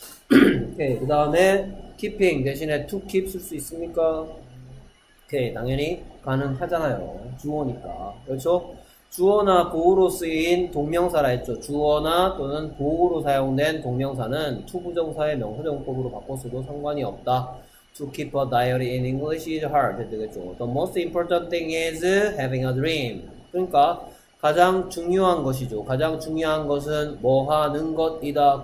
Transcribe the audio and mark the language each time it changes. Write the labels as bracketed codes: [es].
[ko] 오케이. 그 다음에 keeping 대신에 to keep 쓸수 있습니까? 오케이, 당연히 가능하잖아요. 주어니까. 그렇죠? 주어나 보호로 쓰인 동명사라 했죠. 주어나 또는 보호로 사용된 동명사는 to 부정사의 명사정법으로 바꿨어도 상관이 없다. [en] To keep a diary in English is hard. [ko] 되겠죠. [en] The most important thing is having a dream. [ko] 그러니까 가장 중요한 것이죠. 가장 중요한 것은 뭐 하는 것이다.